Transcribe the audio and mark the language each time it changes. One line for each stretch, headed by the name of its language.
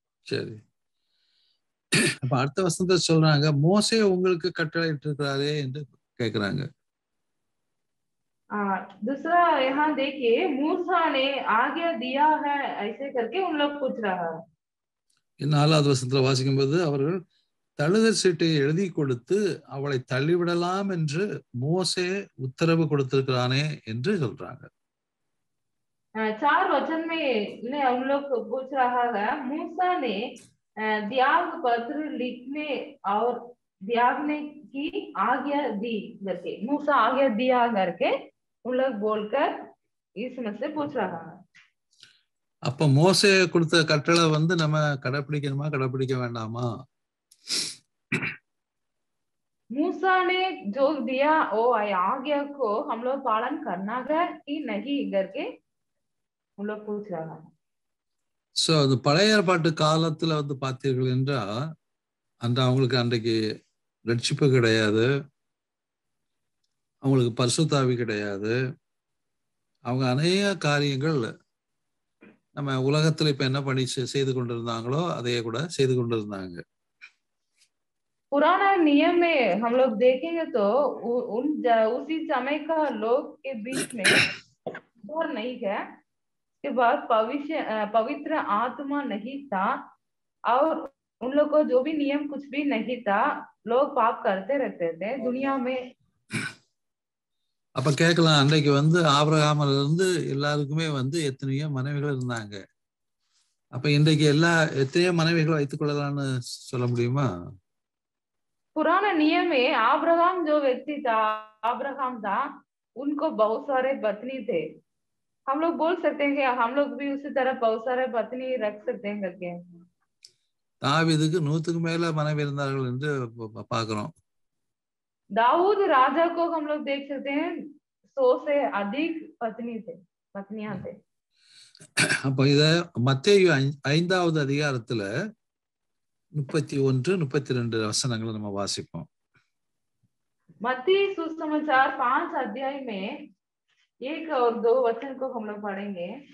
Tamil: चलिए அடுத்த வசனத்தை சொல்றாங்க, மோசே உங்களுக்கு கட்டளை இட்டிருக்கிறாரே என்று கேக்குறாங்க.
Hindi: दूसरा यहां देखिए, मूसा ने आज्ञा दिया है ऐसे करके उन लोग पूछ रहा है.
Tamil: இந்த 4வது வசனத்துல வாசிக்கும் போது அவர்கள் தழுதல் சீட்டை எழுதி கொடுத்து அவளை தள்ளிவிடலாம் என்று மோசே உத்தரவு கொடுத்திருக்கிறானே என்று சொல்றாங்க.
Hindi: चार वचन में उन लोग पूछ रहा है, मूसा ने त्याग पत्र लिखने और त्यागने की आज्ञा दी करके, मूसा आज्ञा दिया करके उन लोग बोलकर इसमें से पूछ रहा है.
Tamil: அப்ப மோசே கொடுத்த கட்டளை வந்து நம்ம கடைபிடிக்கணுமா கடைபிடிக்க வேண்டாமா?
Hindi: मूसा ने जो दिया ओ आज्ञा को हम लोग पालन करना है कि नहीं करके उन लोग पूछ रहा है.
Tamil: சோ அது பழைய ஏற்பாட்டு காலத்துல வந்து பார்த்தீர்கள் என்றா அந்த அவங்களுக்கு அன்றைக்கு ரட்சிப்பு கிடையாது, அவங்களுக்கு பரிசுத்தாவி கிடையாது, அவங்க அநேக காரியங்கள் நம்ம உலகத்துல இப்ப என்ன பண்ணி செய்து கொண்டிருந்தாங்களோ அதையே கூட செய்து கொண்டிருந்தாங்க.
Hindi: पुराना नियम में हम लोग देखेंगे तो उन उसी समय का लोग के बीच में और नहीं है के बाद पवित्र आत्मा नहीं था और उन लोग को जो भी नियम कुछ भी नहीं था, लोग पाप करते रहते थे दुनिया में.
Tamil: அப்ப கேக்கலாம், அன்னைக்கு வந்து ஆபிரகாமல இருந்து எல்லாருக்குமே வந்து எத்தனையோ மனைவிகள் இருந்தாங்க. அப்ப இன்றைக்கு எல்லா எத்தனையோ மனைவிகள் வைத்துக் கொள்ளலாம்னு சொல்ல முடியுமா?
Hindi: पुराना नियम में ஆபிரகாம் जो व्यक्ति था, ஆபிரகாம் தான், उनको बहुत सारे पत्नी थे. हम लोग बोल सकते हैं कि हम लोग भी उसी तरह बहुत सारे पत्नी रख सकते हैं करके.
Tamil: தாவீதுக்கு 100க்கு மேல மனைவி இருந்தார்கள் என்று பார்க்கிறோம்.
Hindi: दाऊद राजा को हम लोग देख सकते हैं 100 से अधिक पत्नी थे, पत्नियां थे.
Tamil: அப்ப இத மத்தேயு 5வது அதிகாரத்துல 31-32 வசனங்களை நம்ம வாசிப்போம்.
Hindi: मत्ती सुसमाचार 5 अध्याय में 1 और 2 वचन को हम लोग पढ़ेंगे।